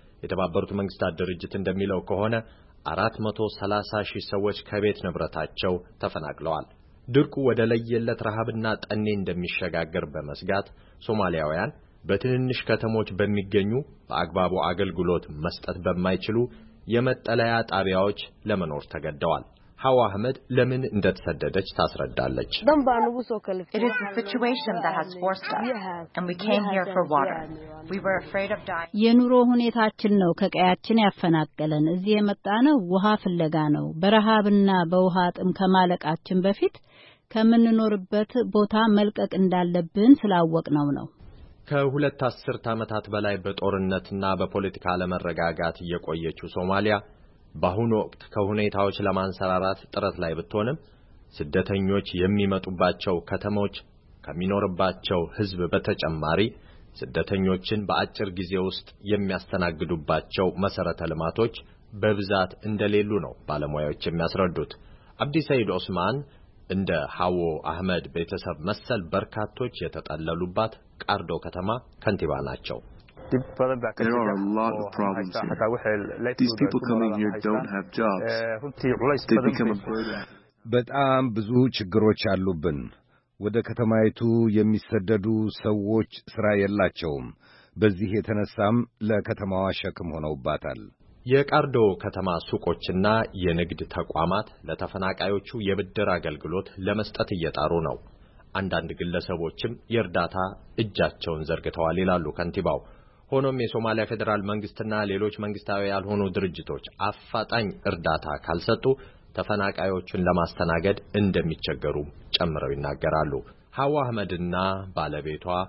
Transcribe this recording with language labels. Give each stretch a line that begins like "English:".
Amharic: የተባበሩት መንግስታት ድርጅት እንደሚለው ከሆነ 430 ሺህ ሰዎች ከቤት ንብረታቸው ተፈናቅለዋል። ድርቁ ወደ ለየለት ረሃብና ጠኔ እንደሚሸጋገር በመስጋት ሶማሊያውያን በትንንሽ ከተሞች በሚገኙ በአግባቡ አገልግሎት መስጠት በማይችሉ የመጠለያ ጣቢያዎች ለመኖር ተገደዋል። ሐዋ አህመድ ለምን እንደተሰደደች ታስረዳለች።
English: It is the situation that has forced us and we came here for water. We were afraid of dying.
Amharic: የኑሮ ሁኔታችን ነው ከቀያችን ያፈናቀለን። እዚህ የመጣነው ውሃ ፍለጋ ነው። በረሃብና በውሃ ጥም ከመላቃችን በፊት ከምንኖርበት ቦታ መልቀቅ እንዳለብን ስላወቅነው ነው። ከሁለት አስርት ዓመታት በላይ በጦርነትና በፖለቲካ አለመረጋጋት የቆየችው ሶማሊያ በአሁኑ ወቅት ከሁኔታዎች ለማንሰራራት ጥረት ላይ ብትሆንም ስደተኞች የሚመጡባቸው ከተሞች ከሚኖርባቸው ህዝብ በተጨማሪ ስደተኞችን በአጭር ጊዜ ውስጥ የሚያስተናግዱባቸው መሰረተ ልማቶች በብዛት እንደሌሉ ነው ባለሙያዎች የሚያስረዱት። አብዲ ሰይድ ኡስማን እንደ ሐዎ አህመድ በተሰብ መሰል በርካቶች የተጠለሉባት ቃርዶ ከተማ ከንቲባ ናቸው።
English: There are a lot of problems here. These people coming here don't have jobs. They become a burden.
Amharic: በጣም ብዙ ችግሮች አሉብን። ወደ ከተማይቱ የሚሰደዱ ሰዎች ሥራ የላቸውም። በዚህ የተነሳም ለከተማዋ ሸክም ሆነውባታል። የቃርዶ ከተማ ሱቆችና የንግድ ተቋማት ለተፈናቃዮቹ የብድር አገልግሎት ለመስጠት እየጣሩ ነው። አንዳንድ ግለሰቦችም የርዳታ እጃቸውን ዘርግተዋል ይላሉ ከንቲባው። ሆኖም የሶማሊያ ፌደራል መንግስትና ሌሎች መንግስታዊ ያልሆኑ ድርጅቶች አፋጣኝ እርዳታ ካልሰጡ ተፈናቃዮችን ለማስተናገድ እንደሚቸገሩ ጨምረው ይናገራሉ። ሐዋ አህመድና ባለቤቷ